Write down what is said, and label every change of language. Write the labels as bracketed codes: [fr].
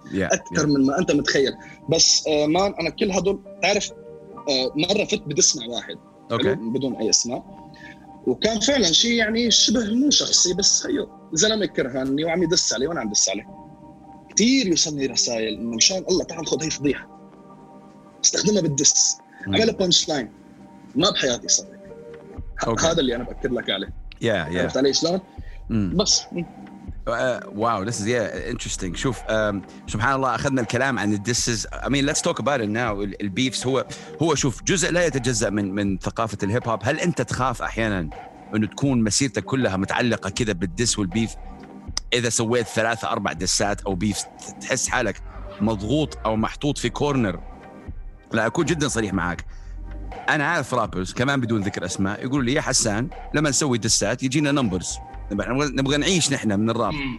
[ar] اكثر من ما انت متخيل. بس مان انا كل هدول تعرف مرة فت بدسمع واحد بدون أي اسماء, وكان فعلا شيء يعني شبه مو شخصي, بس هيو زلمة كرهني وعم يدس علي وأنا عم دس عليه. كتير يوصلني رسائل إنه مشان الله تعال خذ هاي فضيحة استخدمها بالدس, عمل بونش لاين ما بحياتي صدق. هذا اللي أنا بأكد لك عليه. عرفت علي شلون؟ بس واو [en] this is interesting. [ar] شوف سبحان الله أخذنا الكلام عن [en] this is I mean let's talk about it now. [ar] البيفز هو شوف جزء لا يتجزأ من ثقافة الهيب هوب. هل أنت تخاف أحيانا أنه تكون مسيرتك كلها متعلقة كذا بالدس والبيف, إذا سويت 3-4 دسات أو بيف تحس حالك مضغوط أو محطوط في كورنر؟ لا أكون جدا صريح معك, أنا عارف رابرز كمان بدون ذكر أسماء يقول لي يا حسان لما نسوي دسات يجينا نمبرز, نبغى نعيش نحن من الراب.